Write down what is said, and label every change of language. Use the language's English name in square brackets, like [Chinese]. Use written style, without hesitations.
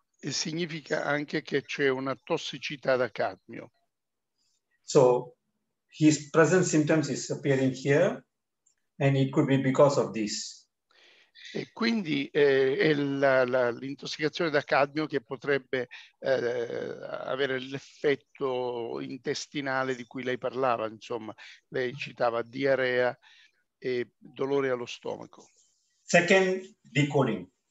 [Italian] E significa anche che c'è una tossicità da cadmio. [English] So his present symptoms is appearing here and it could be because of this. [Italian] E quindi è l'intossicazione da cadmio che potrebbe avere l'effetto intestinale di cui lei parlava, insomma, lei citava diarrea e dolore allo stomaco. [English] Second decoding.